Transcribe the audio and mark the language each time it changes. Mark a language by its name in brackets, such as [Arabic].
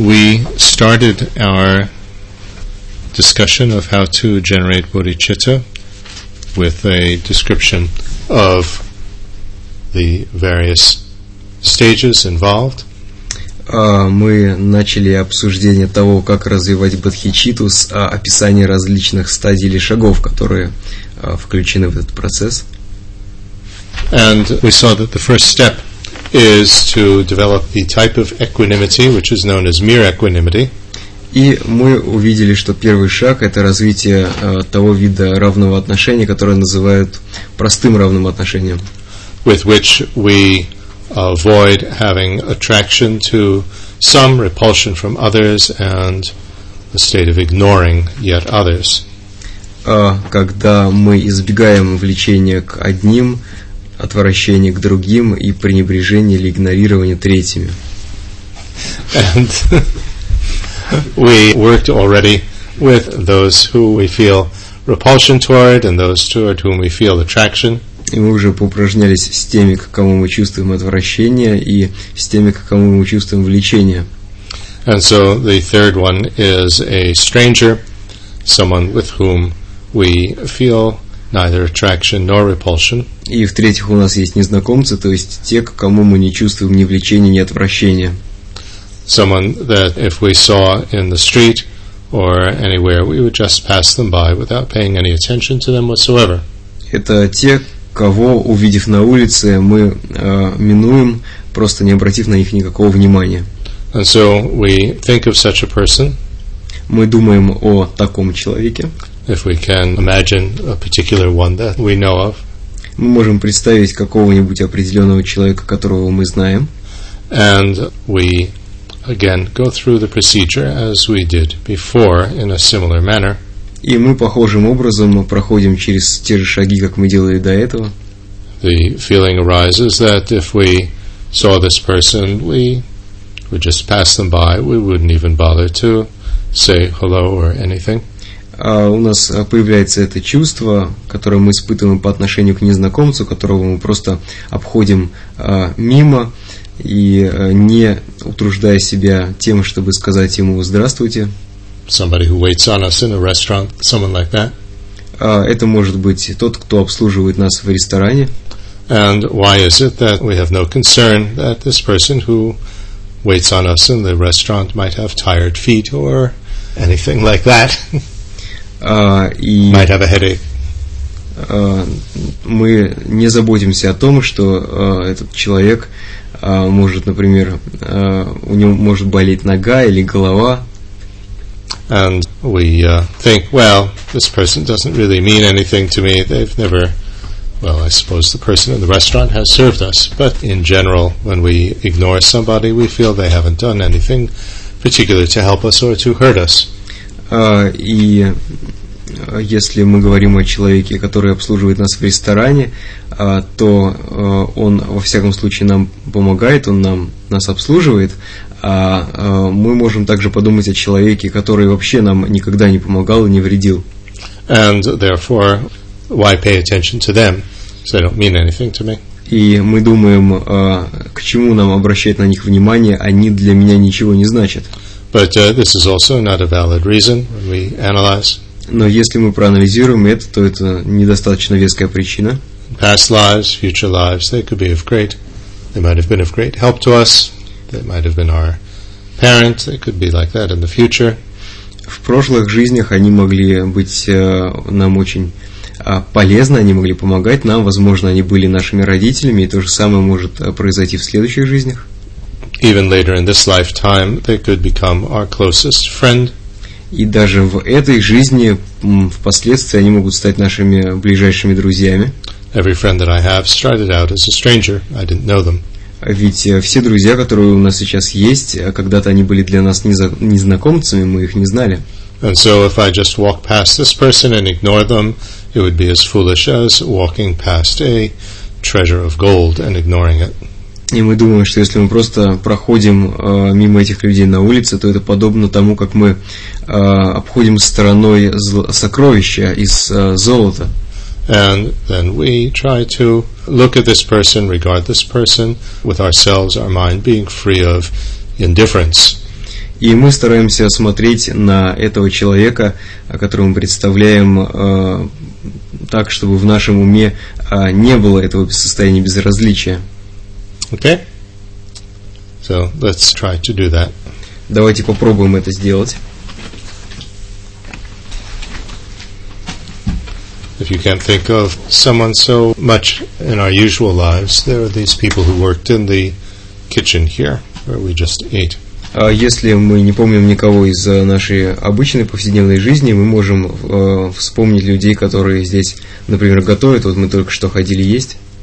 [English] We started our discussion of how to generate bodhicitta with a description of the various stages involved. [Russian] Мы начали обсуждение того, как развивать бодхичитту, с описания различных стадий или шагов, которые включены в этот процесс. [English] And we saw that the first step is to develop the type of equanimity, which is known as mere equanimity. [Russian] И мы увидели, что первый шаг – это развитие того вида равного отношения, которое называют простым равным отношением. [English] With which we avoid having attraction to some, repulsion from others, and the state of ignoring yet others. [Russian] Когда мы избегаем влечения к одним, отвращения к другим и пренебрежения или игнорирования третьими. [English] And we worked already with those who we feel repulsion toward and those toward whom we feel attraction. [Russian] И мы уже поупражнялись с теми, к кому мы чувствуем отвращение, и с теми, к кому мы чувствуем влечение. [English] And so the third one is a stranger, someone with whom we feel neither attraction nor repulsion. [Russian] И в-третьих, у нас есть незнакомцы, то есть те, к кому мы не чувствуем ни влечения, ни отвращения. [English] Someone that if we saw in the street or anywhere, we would just pass them by without paying any attention to them whatsoever. [Russian] Это те, кого, увидев на улице, мы минуем, просто не обратив на них никакого внимания. [English] And so we think of such a person. [Russian] Мы думаем о таком человеке. [English] If we can imagine a particular one that we know of. [Russian] Мы можем представить какого-нибудь определенного человека, которого мы знаем. [English] And we again go through the procedure as we did before in a similar manner. [Russian] И мы похожим образом проходим через те же шаги, как мы делали до этого. [English] The feeling arises that if we saw this person, we would just pass them by, we wouldn't even bother to say hello or anything. [Russian] У нас появляется это чувство, которое мы испытываем по отношению к незнакомцу, которого мы просто обходим мимо и не утруждая себя тем, чтобы сказать ему «здравствуйте». [English] Somebody who waits on us in a restaurant, someone like that. [Russian] Это может быть тот, кто обслуживает нас в ресторане. [English] And why is it that we have no concern that this person who waits on us in the restaurant might have tired feet or anything like that? Might have a headache. [Russian] Мы не заботимся о том, что этот человек может, например, у него может болеть нога или голова. [English] And we think, well, this person doesn't really mean anything to me. They've never, well, I suppose the person in the restaurant has served us. But in general, when we ignore somebody, we feel they haven't done anything particular to help us or to hurt us. [Russian] И если мы говорим о человеке, который обслуживает нас в ресторане, то он во всяком случае нам помогает, он нас обслуживает. Мы можем также подумать о человеке, который вообще нам никогда не помогал и не вредил. [English] And therefore, why pay attention to them? They don't mean anything to me. [Russian] И мы думаем, к чему нам обращать на них внимание, они для меня ничего не значат. [English] But this is also not a valid reason when we analyze. [Russian] Но если мы проанализируем это, то это недостаточно веская причина. [English] Past lives, future lives, they could be of great. They might have been of great help to us. They might have been our parents. They could be like that in the future. [Russian] В прошлых жизнях они могли быть нам очень полезны. Они могли помогать нам. Возможно, они были нашими родителями. И то же самое может произойти в следующих жизнях. [English] Even later in this lifetime, they could become our closest friend. [Russian] И даже в этой жизни впоследствии они могут стать нашими ближайшими друзьями. [English] Every friend that I have started out as a stranger. I didn't know them. [Russian] Ведь все друзья, которые у нас сейчас есть, когда-то они были для нас незнакомцами, мы их не знали. [English] And so if I just walk past this person and ignore them, it would be as foolish as walking past a treasure of gold and ignoring it. [Russian] И мы думаем, что если мы просто проходим мимо этих людей на улице, то это подобно тому, как мы обходим стороной сокровища из золота. [English] And then we try to look at this person, regard this person with ourselves, our mind being free of indifference. [Russian] И мы стараемся смотреть на этого человека, которого мы представляем, так, чтобы в нашем уме не было этого состояния безразличия. [English] Okay. So let's try to do that. [Russian] Давайте попробуем это сделать. [English] If you can't think of someone so much in our usual lives, there are these people who worked in the kitchen here, where we just ate. [Russian] Если мы не помним никого из нашей обычной повседневной жизни, мы можем вспомнить людей, которые здесь, например, готовят. Вот мы только что ходили есть.